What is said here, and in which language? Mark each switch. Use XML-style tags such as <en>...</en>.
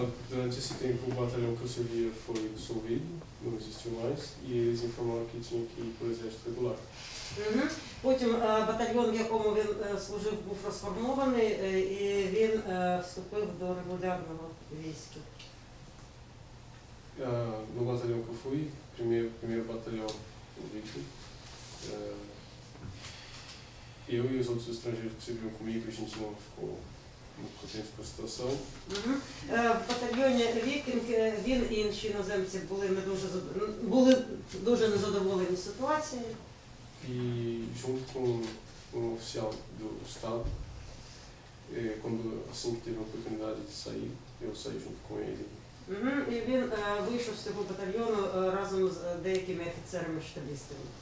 <pt>Durante esse tempo o batalhão que eu servia foi dissolvido, não existiu mais, e eles informaram que tinha que ir para o exército regular.</pt> <uk>Потім батальйон, в якому він служив, був розформований, і він вступив до регулярного війська.</uk> <pt>No batalhão que eu fui, primeiro batalhão o Victor, eu e os outros estrangeiros que serviam comigo, a gente não ficou muito contente com a situação.</pt> <uk>В батальйоні Вікінг він і інші іноземці були дуже незадоволені ситуацією.</uk> <pt>E junto com um oficial do Estado, quando assim que teve a oportunidade de sair, eu saí junto com ele.</pt> <uk>E він вийшов з цього батальйону разом з деякими офіцерами штабістами.</uk>